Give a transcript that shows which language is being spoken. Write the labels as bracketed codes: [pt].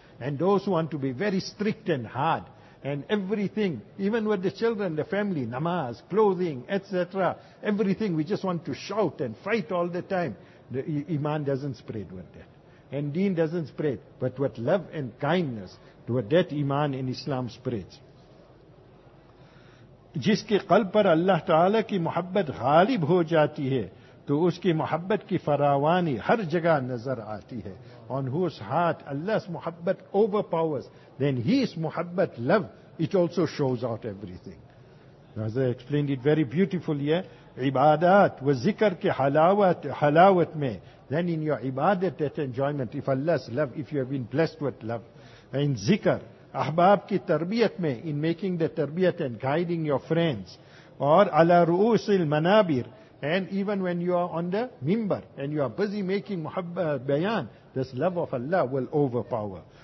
[en] And those who want to be very strict and hard, and everything, even with the children, the family, namaz, clothing, etc., everything, we just want to shout and fight all the time. The iman doesn't spread with that. And deen doesn't spread, but with love and kindness, with that iman in Islam spreads. [ur] جس کے قلب پر اللہ تعالیٰ کی محبت غالب ہو جاتی ہے تو اس کی محبت کی فراوانی ہر جگہ نظر آتی ہے. [en] On whose heart Allah's محبت overpowers, then his محبت, love, it also shows out everything. As I explained it very beautifully here, [ur] عبادات و ذکر کے حلاوت میں, [en] then in your عبادت, that enjoyment, if Allah's love, if you have been blessed with love, in ذکر, [ur] احباب کی تربیت میں, [en] in making the تربیت and guiding your friends, or [ar] على رؤوس المنابر, [en] and even when you are on the minbar and you are busy making محبت بیان, this love of Allah will overpower.